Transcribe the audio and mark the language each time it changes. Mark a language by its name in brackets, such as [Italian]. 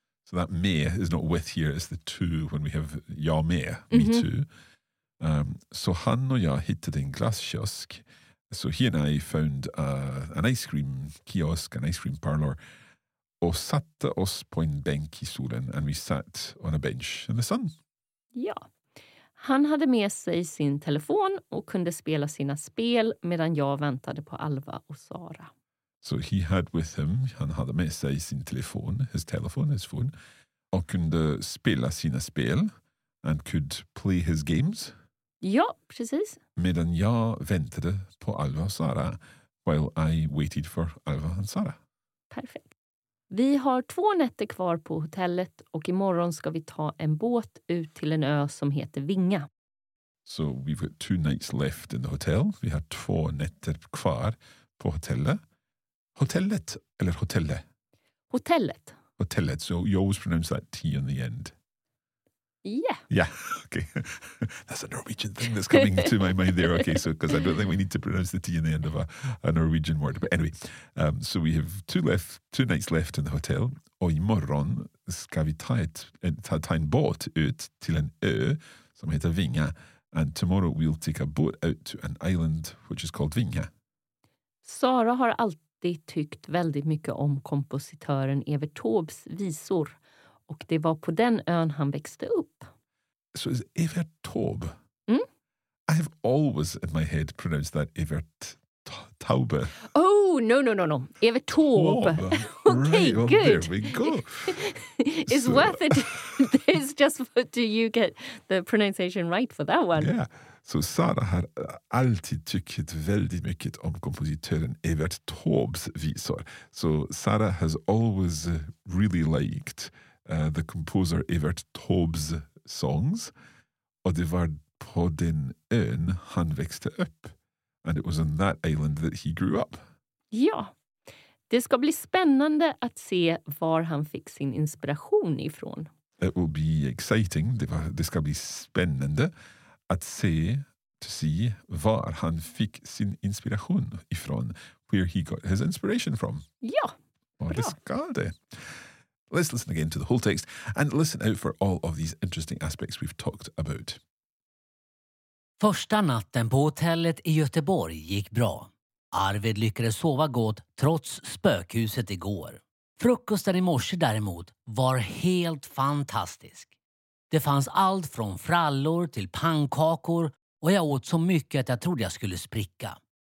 [English] So that me is not with here, it's the two when we have jag med, me too. [Swedish] So han och jag hittade en glasskiosk. [English] So he and I found an ice cream kiosk, an ice cream parlor, [Swedish] och satte oss på en bänk i solen, [English] and we sat on a bench in the sun. [Swedish] Ja. Han hade med sig sin telefon och kunde spela sina spel medan jag väntade på Alva och Sara. [English] So he had with him, [Swedish] han hade med sig sin telefon, [English] his telephone, his phone, [Swedish] och kunde spela sina spel [English] and could play his games. [Swedish] Ja, precis. Medan jag väntade på Alva och Sara, [English] while I waited for [Swedish] Alva och Sara. Perfekt. Vi har två nätter kvar på hotellet och imorgon ska vi ta en båt ut till en ö som heter Vinga. [English] So we've got two nights left in the hotel. [Swedish] Vi har två nätter kvar på hotellet. Hotellet eller hotelle? Hotellet. [English] Hotellet, so you always pronounce that T in the end. Yeah. Yeah, okay. That's a Norwegian thing that's coming to my mind there, okay, so because I don't think we need to pronounce the T in the end of a Norwegian word. But anyway, so we have two nights left in the hotel. [Swedish] Och imorgon ska vi ta en båt ut till en ö som heter Vinga. [English] And tomorrow we'll take a boat out to an island which is called Vinga. [Swedish] Sara har alltid tyckt väldigt mycket om kompositören Evert Taubes visor. Och det var på den ön han växte upp. [English] So is Evert Taube? Mm? I have always in my head pronounced that Evert Taube. Oh, no. Evert Taube. Okay, right, good. Well, there we go. It's so worth it. It's just for, do you get the pronunciation right for that one? Yeah. [Swedish] So Sara har alltid tyckt väldigt mycket om kompositören Evert Taubes visor. [English] So Sara has always really liked the composer Evert Taubes songs, [Swedish] och det var på den ön han växte upp. [English] And it was on that island that he grew up. [Swedish] Ja, det ska bli spännande att se var han fick sin inspiration ifrån. [English] It will be exciting, [Swedish] det ska bli spännande att se, [English] to see [Swedish] var han fick sin inspiration ifrån. [English] Where he got his inspiration from. [Swedish] Ja, bra. Och det ska det. [English] Let's listen again to the whole text and listen out for all of these interesting aspects we've talked about. [Swedish] Första natten på hotellet i Göteborg gick bra. Arvid lyckades sova gott trots spökhuset igår. Frukosten i morse däremot var helt fantastisk. Det fanns allt från frallor till pannkakor och jag åt så mycket att jag trodde jag skulle spricka.